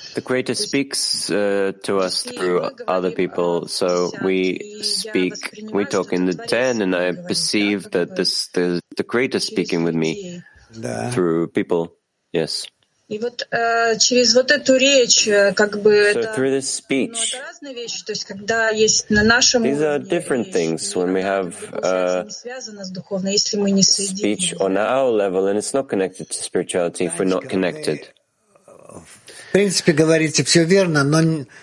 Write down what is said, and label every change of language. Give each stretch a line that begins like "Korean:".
English: The Creator speaks to us through other people, so we speak, we talk in the ten, and I perceive that this the Creator speaking with me.
Russian: Да.
English: Through people, yes.
Russian: И вот через вот эту речь, как бы это
English: speech,
Russian: ну, это разные вещи, то есть когда есть на нашем
English: These are different things when we have speech on our level and it's not connected to spirituality if we're not connected.
Russian: В принципе, говорите все верно, но